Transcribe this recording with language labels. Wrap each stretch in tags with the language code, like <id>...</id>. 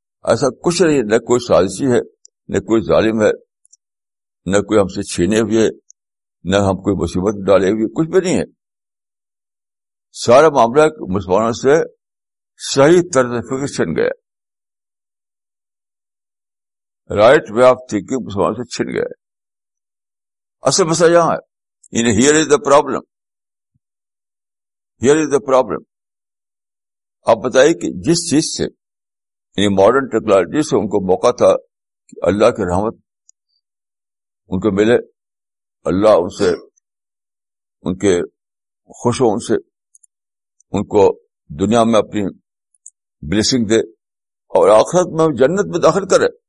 <ur>ایسا کچھ نہیں, نہ کوئی سازشی ہے, نہ کوئی ظالم ہے, نہ کوئی ہم سے چھینے ہوئے, نہ ہم کوئی مصیبت ڈالے ہوئے, کچھ بھی نہیں ہے. سارا معاملہ مسلمانوں سے صحیح طرز فکر چھن گیا,</ur> <en>right way of thinking</en> <ur>مسلمانوں سے چھن گیا. اصل مسئلہ یہاں ہے,</ur> <en>In here is the problem, here is the problem.</en> <ur>آپ بتائیے کہ جس چیز سے, یعنی ماڈرن ٹیکنالوجی سے ان کو موقع تھا کہ اللہ کی رحمت ان کو ملے, اللہ ان سے ان کے خوش ہو, ان سے ان کو دنیا میں اپنی بلیسنگ دے اور آخرت میں جنت میں داخل کرے.</ur>